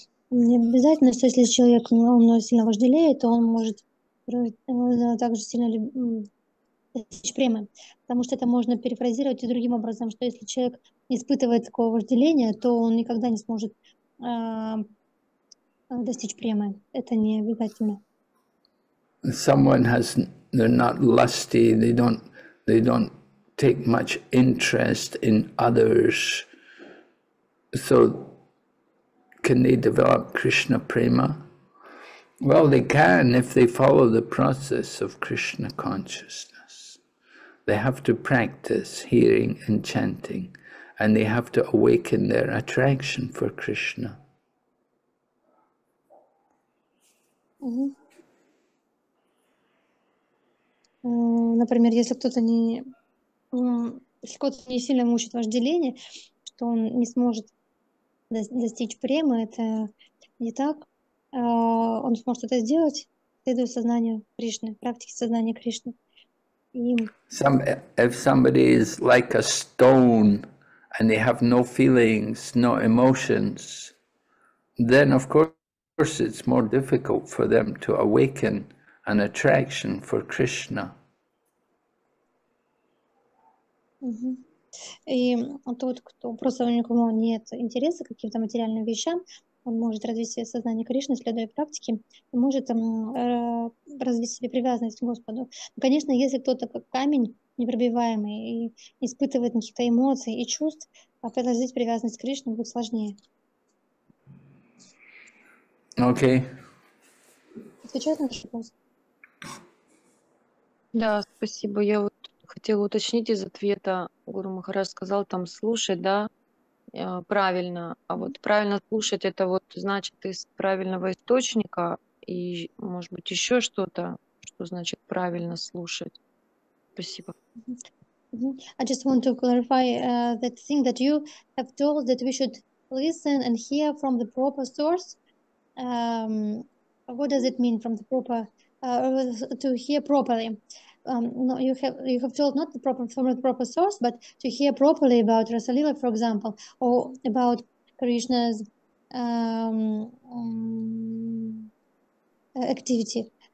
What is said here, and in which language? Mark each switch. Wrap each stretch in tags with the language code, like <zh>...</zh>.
<ru>Не обязательно, что если человек много сильно вожделеет, то он может также сильно достичь премы. Потому что это можно перефразировать и другим образом, что если человек не испытывает такого вожделения, то он никогда не сможет достичь премы. Это не обязательно.</ru> <en>Someone has, they're not lusty, they don't take much interest in others. So can they develop Krishna prema? Well, they can if they follow the process of Krishna consciousness. They have to practice hearing and chanting, and they have to awaken their attraction for Krishna.</en> <ru>Например, если кто-то не сильно мучит вожделение, что он не сможет достичь премы, это не так. Он сможет это сделать, следуя сознанию Кришны, практике сознания Кришны.</ru> <en>If somebody is like a stone and they have no feelings, no emotions, then of course it's more difficult for them to awaken an attraction for Krishna.</en> <ru>И тот, кто просто у него нет интереса к каким-то материальным вещам, он может развить себе сознание Кришны, следуя практике, и может развить себе привязанность к Господу. Конечно, если кто-то как камень непробиваемый и не испытывает никаких эмоций и чувств, а продолжить привязанность к Кришне будет сложнее. Окей. Отвечает на вопрос? Да, спасибо. Я вот хотела уточнить из ответа. Гуру Махарадж сказал там слушать, да, правильно. А вот правильно слушать, это вот значит из правильного источника и, может быть, еще что-то, что значит правильно слушать. Спасибо.</ru> <en>I just want to clarify that thing that you have told, that we should listen and hear from the proper source. What does it mean from the proper, to hear properly? No, you have told not the proper from the proper source, but to hear properly about Rasa Lila, for example, or about Krishna's activity.</en>